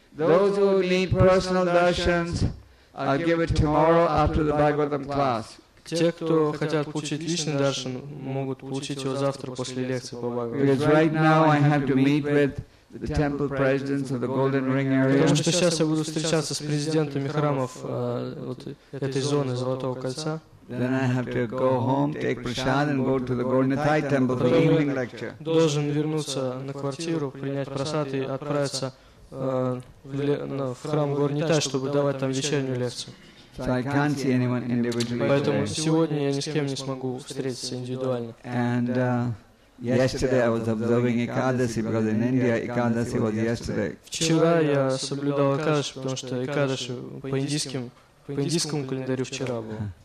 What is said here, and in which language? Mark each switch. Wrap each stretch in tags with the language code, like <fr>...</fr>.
<en>Those who need personal darshans, I'll give it tomorrow after the Bhagavatam class.</en> <ru>Те, кто хотят получить личный даршан, могут получить его завтра после лекции по Бхагаватам.</ru> <en>Because right now I have to meet with the temple presidents of the Golden Ring area.</en> <ru>Потому что сейчас я буду встречаться с президентами храмов вот этой зоны Золотого кольца.</ru> <en>Then I have to go home, take prasad, and go to the Gornithai temple for the evening lecture.</en> <ru>Должен вернуться на квартиру, принять прасад и отправиться в храм Горнитай, чтобы давать там вечернюю лекцию.</ru> <en>So I can't see anyone individually.</en> <ru>Поэтому сегодня я ни с кем не смогу встретиться индивидуально.</ru> <en>And yesterday I was observing Ekadasi because in India Ekadasi was yesterday.</en> <ru>Вчера я соблюдал Экадаши, потому что Экадаши по индийскому календарю вчера был.</ru>